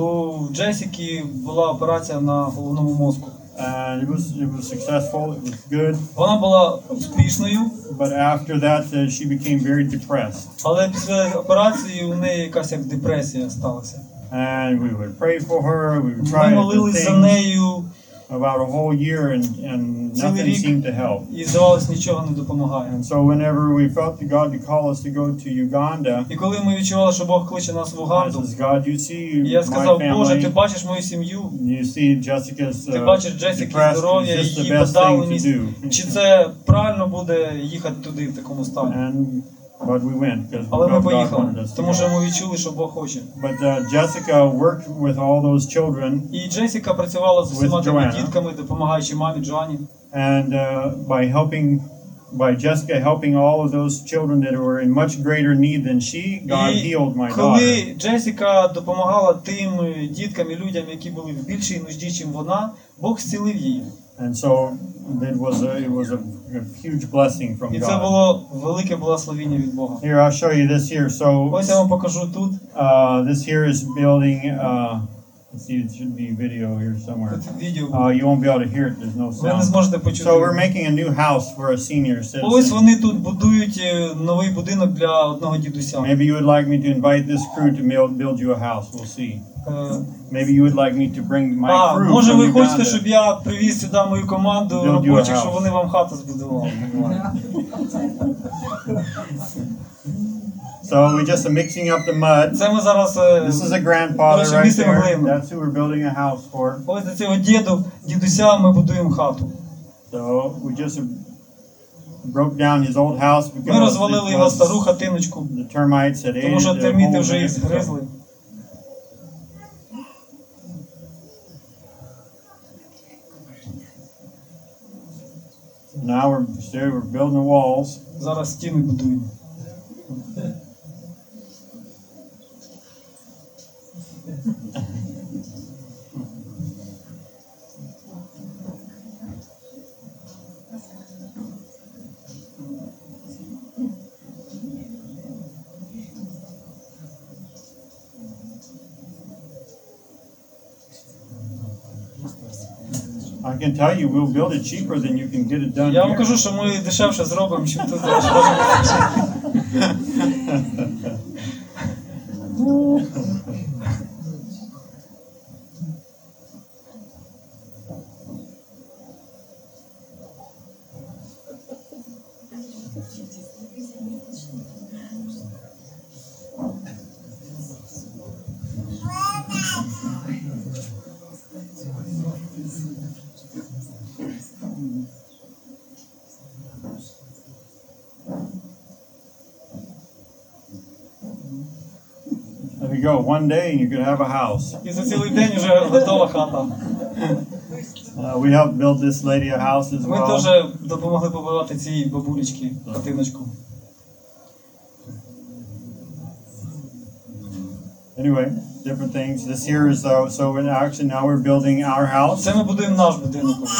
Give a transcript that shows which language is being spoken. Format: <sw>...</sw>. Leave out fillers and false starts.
<uk>У Джесіки була операція на головному мозку.</uk> <en>And it was successful, it was good.</en> <uk>Вона була успішною.</uk> <en>But after that she became very depressed.</en> <uk>Але після операції у неї якась як депресія сталася.</uk> <en>And we would pray for her, we would try to pray</en> <uk>за нею.</uk> <en>About a whole year and nothing seemed to help.</en> <uk>І здавалось, нічого не допомагає.</uk> <en>And so whenever we felt that God to call us to go to Uganda.</en> <uk>І коли ми відчували, що Бог кличе нас в Уганду.</uk> <en>Says, God, you see my family.</en> <uk>Я сказав, Боже, ти бачиш мою сім'ю.</uk> <en>You see Jessica's.</en> <uk>Ти бачиш Джесіки здоров'я, її подавленість. Чи це правильно буде їхати туди в такому стані?</uk> <en>But we went because</en> <uk>тому що ми відчули, що Бог хоче.</uk> <en>But Jessica worked with all those children.</en> <uk>І Джесіка працювала з усіма тими дітками, допомагаючи мамі Джоанні.</uk> <en>And by Jessica helping all of those children that were in much greater need than she, God healed my daughter.</en> <uk>Коли Джесіка допомагала тим діткам і людям, які були в більшій нужді, ніж вона, Бог зцілив її.</uk> <en>And so it was a huge blessing from God.</en> <uk>І це було велике благословення від Бога.</uk> <en>Here I'll show you this here. So</en> <uk>ось я вам покажу тут.</uk> <en>This here is building. Let's see, it should be video here somewhere. Video. You won't be able to hear it. There's no sound.</en> <uk>Ви не зможете почути.</uk> <en>So we're making a new house for a senior citizen.</en> <uk>Ось вони тут будують новий будинок для одного дідуся.</uk> <en>Maybe you would like me to invite this crew to build you a house. We'll see. Maybe you would like me to bring my crew.</en> <uk>Може ви хочете, щоб я привіз сюди мою команду робочих, щоб вони вам хату збудували.</uk> <en>So we're just mixing up the mud.</en> <uk>Це ми зараз.</uk> <en>This is a grandfather right there. That's who we're building a house for.</en> <uk>Ось для цього дідуся ми будуємо хату.</uk> <en>So we just broke down his old house because</en> <uk>ми розвалили його стару хатиночку.</uk> <en>The termites had ate</en> <uk>it. Тому що терміти вже їх згризли.</uk> <en>Now we're building the walls.</en> <uk>Зараз стіни будуємо.</uk> <en>I can tell you we'll build it cheaper than you can get it done.</en> <uk>Я вам кажу, що ми дешевше зробимо, чим тут.</uk> <en>Go one day and you can have a house.</en> <uk>За цілий день вже готова хата.</uk> <en>We helped build this lady a house as well.</en> <uk>Ми теж допомогли побудувати цій бабулечці хатиночку.</uk> <en>Anyway, different things. This here is so in action. Now we're building our house.</en> <uk>Це ми будуємо наш будинок.</uk>